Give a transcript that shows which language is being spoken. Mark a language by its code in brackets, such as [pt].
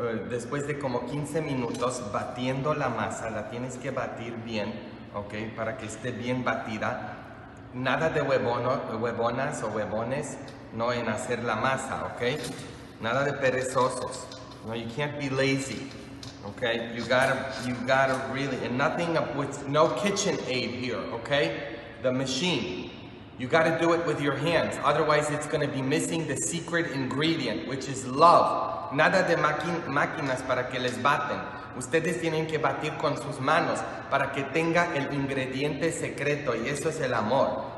[es] Después de como 15 minutos batiendo la masa, la tienes que batir bien, okay? Para que esté bien batida. Nada de huevonas o huevones, no, en hacer la masa, okay? Nada de perezosos. [en] No, you can't be lazy, okay? You gotta really, and nothing with no kitchen aid here, okay? The machine. You got to do it with your hands. Otherwise, it's going to be missing the secret ingredient, which is love. [es] Nada de máquinas para que les baten. Ustedes tienen que batir con sus manos para que tenga el ingrediente secreto, y eso es el amor.